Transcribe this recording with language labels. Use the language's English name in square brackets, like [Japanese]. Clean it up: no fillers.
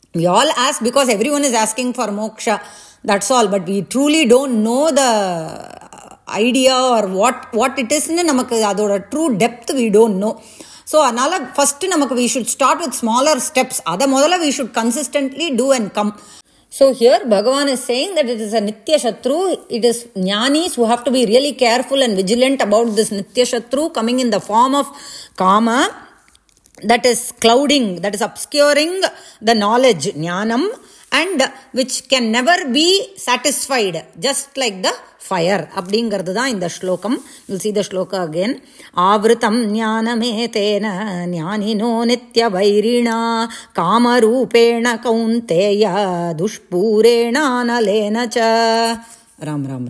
[English] ஆக்சுவலாக we all ask because everyone is asking for moksha, that's all. But we truly don't know the idea or what it இஸ்ன்னு [Tamil] நமக்கு அதோட [English] True depth we don't know. So [Tamil] அதனால் [English] First நமக்கு we should start with smaller steps. [Tamil] அதை முதல்ல [English] We should consistently do and come. So here Bhagavan is saying that it is a nitya shatru. It is jnanis who have to be really careful and vigilant about this nitya shatru coming in the form of kama, that is clouding, that is obscuring the knowledge, jnanam, and which can never be satisfied, just like the fire. [Tamil] அப்படிங்கிறது தான் இந்த ஸ்லோகம். [English] You'll see the shloka again. [Sanskrit] ஆவிருத்தம் ஞானமேதேன ஞானினோ நித்ய வைரிணா காமரூபேண கௌந்தேய துஷ்பூரேணானலேன ச. ராம் ராம் ராம்.